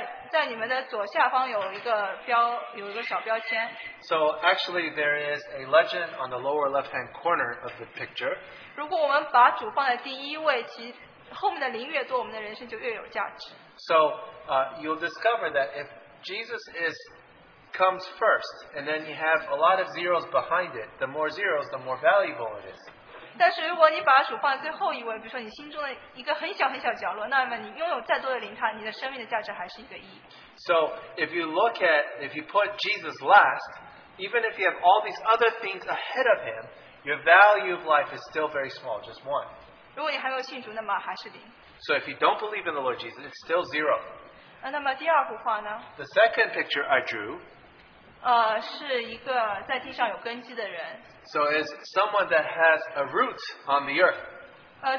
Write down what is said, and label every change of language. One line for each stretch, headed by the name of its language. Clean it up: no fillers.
Chinese: 在你们的左下方有一个小标签。
English: So actually there is a legend on the lower left hand corner of the picture.
Chinese: 如果我们把主放在第一位, 后面的灵越多,
English: so you'll discover that if Jesus comes first and then you have a lot of zeros behind it, the more zeros, the more valuable it is.
Chinese: 但是如果你把主放在最后一位, 比如说你心中的一个很小很小角落, 那么你拥有再多的灵, 它,
English: so if you put Jesus last, even if you have all these other things ahead of him, your value of life is still very small, just one. So if you don't believe in the Lord Jesus, it's still zero.
Chinese: 那么第二幅画呢?
English: The second picture I drew,
Chinese: 是一个在地上有根基的人。
English: So it's someone that has a root on the earth.